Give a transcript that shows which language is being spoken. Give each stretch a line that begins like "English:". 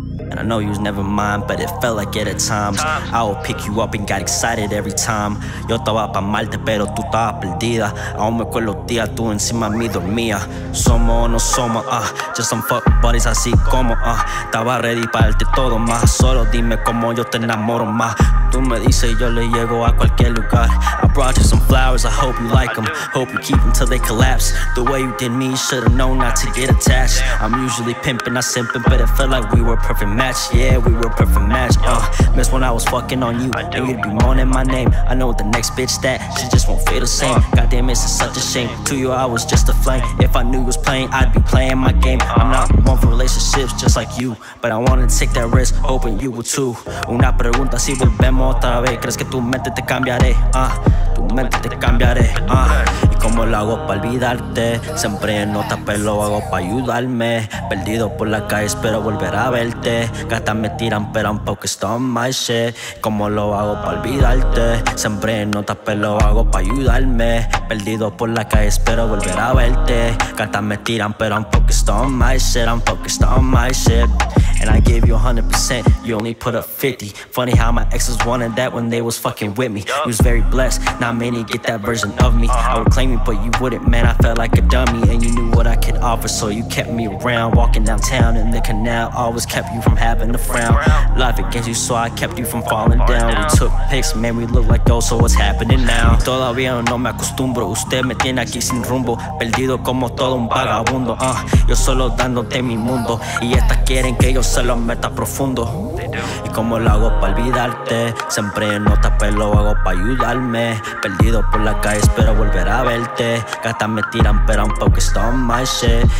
English: And I know you was never mine, but it felt like it at times. I would pick you up and got excited every time.
Spanish: Yo estaba pa' amarte, pero tú estabas perdida. Aún me acuerdo los días, tú encima de mí dormía. Somos o no somos,
English: just some fuck buddies
Spanish: así como, estaba ready pa' darte todo más. Solo dime cómo yo te enamoro más. Tú me dices, yo le llego a cualquier lugar.
English: I brought you some flowers, I hope you like them. Hope you keep them till they collapse. The way you did me, you should've known not to get attached. I'm usually pimping, not simping, but it felt like we were perfect match. Yeah, we were perfect match, miss when I was fucking on you, and you'd be moaning my name. I know the next bitch that, she just won't feel the same. Goddamn, it's such a shame, to you I was just a flame. If I knew you was playing, I'd be playing my game. I'm not one for relationships, just like you. But I wanna take that risk, hoping you will too.
Spanish: Una pregunta si volvemos otra vez, crees que tu mente te cambiaré, tu mente te cambiaré, y como lo hago pa' olvidarte, siempre en nota pero lo hago pa' ayudarme, perdido por la calle espero volver a verte, gatas me tiran pero un poco esto
English: my shit,
Spanish: como lo hago pa' olvidarte, siempre en nota pero lo hago pa' ayudarme, perdido por la calle espero volver a verte, gatas me tiran pero un poco esto my shit, un poco esto my shit.
English: And I gave you 100%, you only put up 50. Funny how my exes wanted that when they was fucking with me. You was very blessed, not many get that version of me. I would claim you, but you wouldn't, man, I felt like a dummy. And you knew what I could offer, so you kept me around. Walking downtown in the canal, always kept you from having to frown. Life against you, so I kept you from falling down. We took pics, man, we look like those, so what's happening now?
Spanish: Todavía no me acostumbro, usted me tiene aquí sin rumbo. Perdido como todo un vagabundo, yo solo dándote mi mundo. Y estas quieren que yo se lo meta profundo. Y como lo hago pa' olvidarte, siempre en nota pero lo hago pa' ayudarme. Perdido por la calle espero volver a verte, gatas me tiran pero un poco esto
English: my shit.